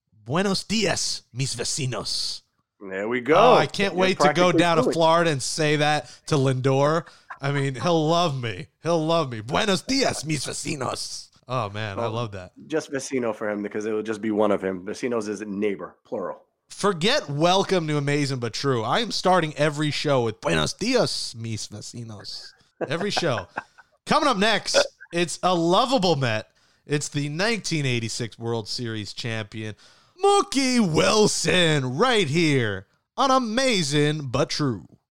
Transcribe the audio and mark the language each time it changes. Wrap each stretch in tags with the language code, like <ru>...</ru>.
<es>Buenos dias, mis vecinos.</es> <en>There we go. Oh, I can't wait to go down to Florida and say that to Lindor. I mean, he'll love me.</en> <es>Buenos dias, mis vecinos.</es> <en>Oh, man, I love that. Just vecino for him because it will just be one of him. Vecinos is neighbor, plural. Forget welcome to Amazing But True. I am starting every show with</en> <es>buenos dias, mis vecinos.</es> <en>Every show. Coming up next. It's a lovable Met. It's the 1986 World Series champion, Mookie Wilson, right here on Amazing But True.</en>